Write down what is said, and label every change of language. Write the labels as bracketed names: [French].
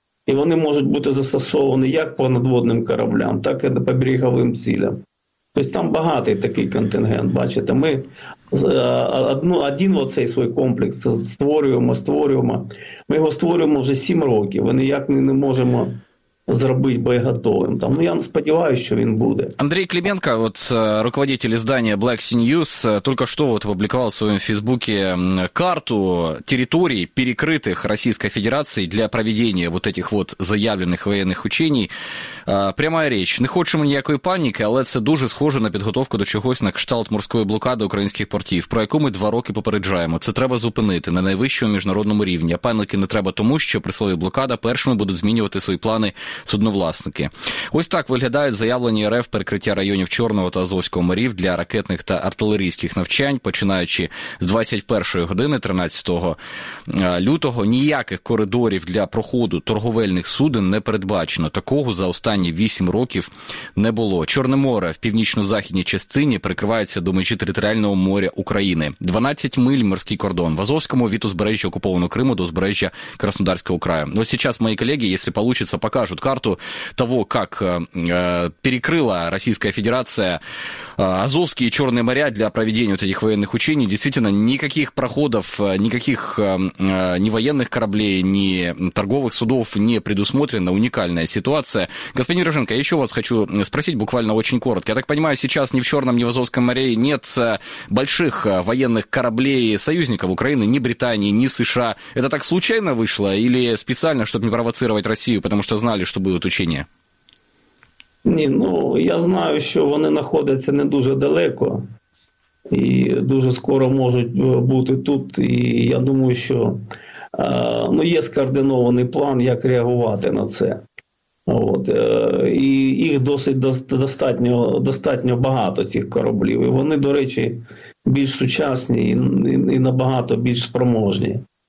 [Ukrainian] І вони можуть бути застосовані як по надводним кораблям, так і по береговим цілям. Тобто там багатий такий контингент, бачите. Ми один оцей свій комплекс створюємо. Ми його створюємо вже 7 років, ми ніяк не можемо зробити боєготовим. Там, ну, я сподіваюся, що він буде. [Russian] Андрій Клименко, от руководитель издания Black Sea News, только что вот опубликовал в своем фейсбуке карту территорий, перекрытых Российской Федерацией для проведения вот этих вот заявленных военных учений. Прямая речь. [Ukrainian] Не хочемо ніякої паніки, але це дуже схоже на підготовку до чогось на кшталт морської блокади українських портів, про яку ми 2 роки попереджаємо. Це треба зупинити на найвищому міжнародному рівні. А паніки не треба тому, що при слові блокада першими будуть змінювати свої плани судновласники. Ось так виглядають заявлені РФ перекриття районів Чорного та Азовського морів для ракетних та артилерійських навчань, починаючи з 21 години 13 лютого. Ніяких коридорів для проходу торговельних суден не передбачено. Такого за останні 8 років не було. Чорне море в північно-західній частині прикривається до межі територіального моря України. 12 миль морський кордон. В Азовському від узбережжя окупованого Криму до узбережжя Краснодарського краю. Ось зараз мої колеги, якщо получиться, [Russian] покажут карту того, как перекрыла Российская Федерация Азовские и Черные моря для проведения вот этих военных учений. Действительно, никаких проходов, никаких ни военных кораблей, ни торговых судов не предусмотрено. Уникальная ситуация. Господин Рыженко, я еще вас хочу спросить буквально очень коротко. Я так понимаю, сейчас ни в Черном, ни в Азовском море нет больших военных кораблей союзников Украины, ни Британии, ни США. Это так случайно вышло или специально, чтобы не провоцировать Россию, потому что знали, [Ukrainian] що будуть учення? Ні, ну, я знаю, що вони знаходяться не дуже далеко. І дуже скоро можуть бути тут. І я думаю, що ну, є скоординований план, як реагувати на це. От, і їх досить достатньо багато, цих кораблів. І вони, до речі, більш сучасні і набагато більш спроможні.